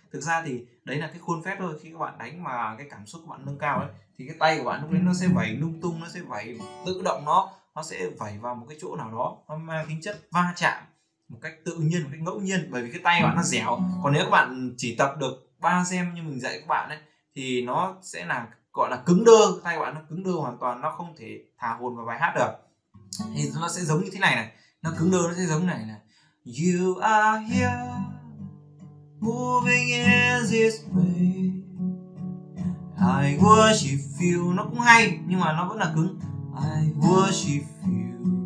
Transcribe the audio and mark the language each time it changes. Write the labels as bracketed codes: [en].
[vi] Thực ra thì đấy là cái khuôn phép thôi. Khi các bạn đánh mà cái cảm xúc của bạn nâng cao ấy, thì cái tay của bạn lúc đấy nó sẽ vẩy lung tung, nó sẽ vẩy tự động, nó sẽ vẩy vào một cái chỗ nào đó, nó mang tính chất va chạm một cách tự nhiên, một cách ngẫu nhiên, bởi vì cái tay của bạn nó dẻo. Còn nếu các bạn chỉ tập được 3 gem như mình dạy các bạn ấy, thì nó sẽ là gọi là cứng đơ, tay của bạn nó cứng đơ hoàn toàn, nó không thể thả hồn vào bài hát được. Thì nó sẽ giống như thế này này, nó cứng đơ, nó sẽ giống này này. [en] You are here, moving in this way, I worship you. [vi] Nó cũng hay nhưng mà nó vẫn là cứng. [en] I worship you.